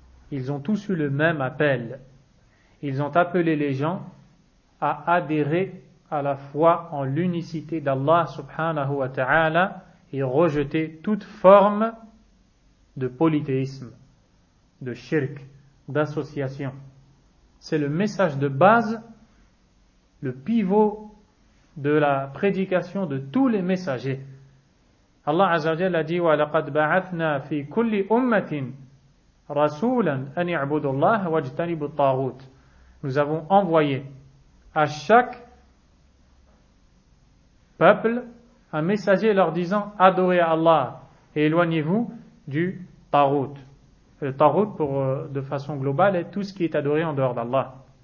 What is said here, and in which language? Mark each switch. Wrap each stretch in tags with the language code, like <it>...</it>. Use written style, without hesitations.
<fr>Ils ont tous eu le même appel. Ils ont appelé les gens à adhérer à la foi en l'unicité d'Allah subhanahu wa ta'ala et rejeter toute forme de polythéisme, de shirk, d'association. C'est le message de base, le pivot de la prédication de tous les messagers. Allah Azza wa Jalla dit:</fr> <ar>وَلَقَدْ بَعَثْنَا فِي كُلِّ أُمَّةٍ رَسُولًا أَنْ يَعْبُدُ اللَّهَ وَاجْتَنِبُ الطَّاغُوتِ.</ar> <fr>Nous avons envoyé à chaque peuple un messager leur disant: adorez Allah et éloignez-vous du tagout. Le tagout, pour de façon globale, est tout ce qui est adoré en dehors d'Allah.</fr>